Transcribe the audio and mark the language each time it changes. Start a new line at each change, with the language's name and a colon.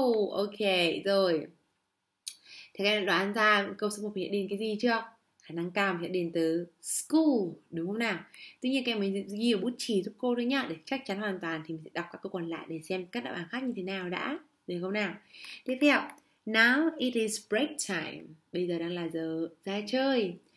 Vietnamese: Ok, rồi. Thế các em đã đoán ra câu số 1 hiện đến cái gì chưa? Khả năng cao mình sẽ đến từ school đúng không nào? Tuy nhiên các em mình ghi ở bút chì giúp cô thôi nhá. Để chắc chắn hoàn toàn thì mình sẽ đọc các câu còn lại để xem các đáp án khác như thế nào đã. Được không nào? Tiếp theo,
English: now it is break time.
Vietnamese: Bây giờ đang là giờ ra chơi.